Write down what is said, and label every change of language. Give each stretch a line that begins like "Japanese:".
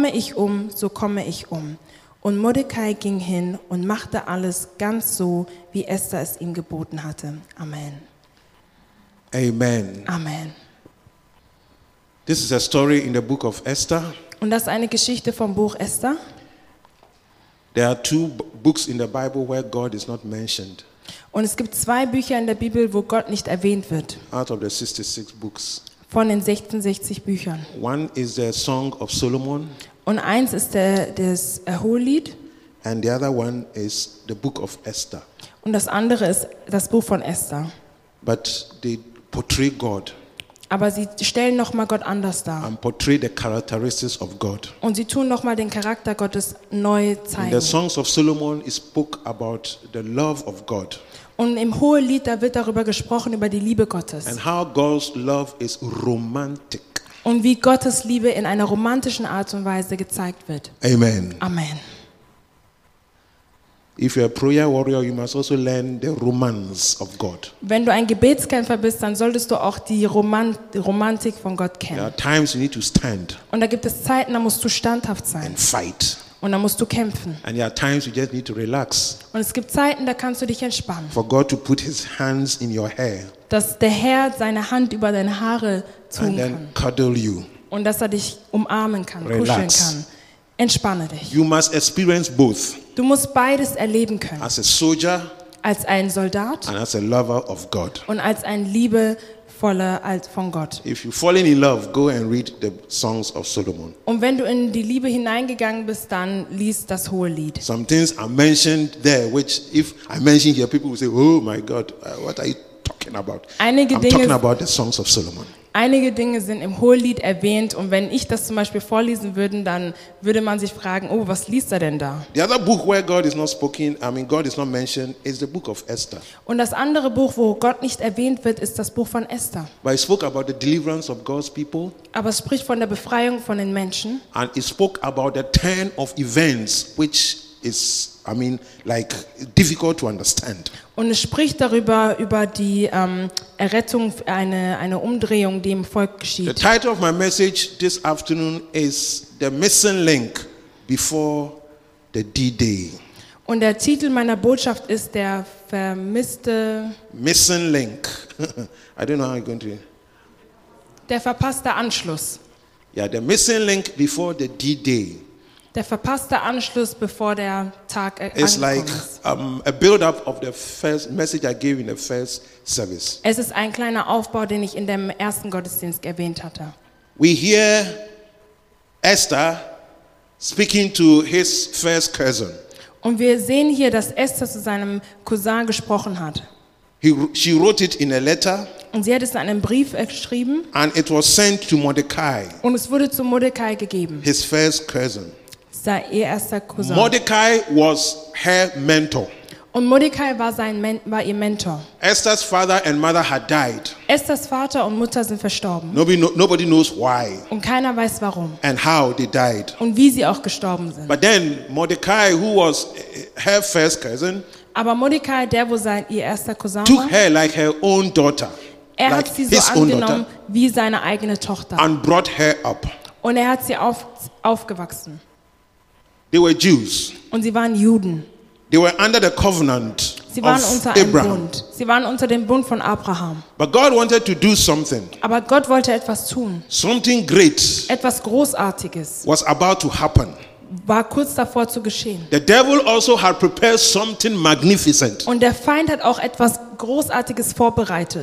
German: Komme ich um, so komme ich um. Und Mordecai ging hin und machte alles ganz so, wie Esther es ihm geboten hatte.
English: Amen. Amen. Amen. This is a story in the book of Esther.
German: Und das ist eine Geschichte vom Buch Esther.
English: There are 2 books in the Bible where God is not mentioned.
German: Und es gibt 2 Bücher in der Bibel, wo Gott nicht erwähnt wird.
English: Out of the 66 books.
German: Von den 66 Büchern.
English: One is the Song of Solomon.
German: Und eins ist das Hohelied.
English: And the other one is the book of Esther.
German: Und das andere ist das Buch von Esther.
English: But they portray God.
German: Aber sie stellen nochmal Gott anders dar.
English: And portray the characteristics of God.
German: Und sie tun nochmal den Charakter Gottes neu zeigen.
English: In the Songs of Solomon is spoke about the love of God.
German: Und im Hohelied, da wird darüber gesprochen, über die Liebe Gottes.
English: And how God's love is romantic.
German: Und wie Gottes Liebe in einer romantischen Art und Weise gezeigt wird.
English: Amen.
German: Amen.
English: If you're a prayer warrior, you must also learn the romance of God.
German: Wenn du ein Gebetskämpfer bist, dann solltest du auch die Romantik von Gott kennen.
English: There are times you need to stand.
German: Und da gibt es Zeiten, da musst du standhaft sein.
English: And fight.
German: Und da musst du kämpfen.
English: And there are times you just need to relax.
German: Und es gibt Zeiten, da kannst du dich entspannen.
English: For God to put his hands in your hair.
German: Dass der Herr seine Hand über deine Haare tun kann.
English: And then cuddle you.
German: Und dass er dich umarmen kann,
English: relax.
German: Kuscheln kann. Entspanne dich.
English: You must experience both.
German: Du musst beides erleben können.
English: As a soldier,
German: als ein Soldat,
English: and as a lover of God.
German: Und als ein liebevoller als von Gott.
English: If you've fallen in love, go and read the Songs of Solomon.
German: Und wenn du in die Liebe hineingegangen bist, dann lies das Hohelied.
English: Some things are mentioned there, which if I mention here, people will say, "Oh my God, what are you talking about?" I'm talking about the Songs of Solomon.
German: Einige Dinge sind im Hohelied erwähnt und wenn ich das zum Beispiel vorlesen würde, dann würde man sich fragen, oh, was liest er denn da?
English: The other book where God is not spoken, I mean God is not mentioned, is the book of Esther.
German: Und das andere Buch, wo Gott nicht erwähnt wird, ist das Buch von Esther.
English: But it spoke about the deliverance of God's people.
German: Aber es spricht von der Befreiung von den Menschen.
English: And it spoke about the turn of events, which is, I mean, like difficult to understand.
German: Und es spricht darüber, über die Errettung, eine Umdrehung, die im Volk geschieht.
English: The title of my message this afternoon is The Missing Link Before the D-Day.
German: Und der Titel meiner Botschaft ist der vermisste...
English: Missing Link. I don't know how you're going to...
German: Der verpasste Anschluss.
English: Yeah, The Missing Link Before the D-Day.
German: Der verpasste Anschluss, bevor der Tag angekommen ist.
English: It's like a build-up of the first message I gave in the first service.
German: Es ist ein kleiner Aufbau, den ich in dem ersten Gottesdienst erwähnt hatte.
English: We hear Esther speaking to his first cousin.
German: Und wir sehen hier, dass Esther zu seinem Cousin gesprochen hat.
English: She wrote it in a letter.
German: Und sie hat es in einem Brief geschrieben.
English: And it was sent to Mordecai.
German: Und es wurde zu Mordecai gegeben.
English: His first cousin.
German: Sein erster Cousin.
English: Mordecai was her mentor.
German: Und Mordecai war sein war ihr Mentor.
English: Esther's father and mother had died.
German: Esthers Vater und Mutter sind verstorben.
English: Nobody knows why.
German: Und keiner weiß warum.
English: And how they died.
German: Und wie sie auch gestorben sind.
English: But then Mordecai, who was her first cousin,
German: aber Mordecai, der wo sein ihr erster Cousin
English: took
German: war,
English: her like her own daughter.
German: Er
English: like
German: hat sie so angenommen wie seine eigene Tochter.
English: And brought her up.
German: Und er hat sie aufgewachsen.
English: They were Jews.
German: Und sie waren Juden.
English: They were under the covenant
German: sie waren
English: of
German: unter
English: Abraham.
German: Bund. Sie waren unter dem Bund von Abraham.
English: But God wanted to do something.
German: Aber Gott wollte etwas tun.
English: Something great.
German: Etwas Großartiges.
English: Was about to happen.
German: War kurz davor zu geschehen.
English: The devil also had prepared something magnificent.
German: Und der Feind hat auch etwas Großartiges vorbereitet.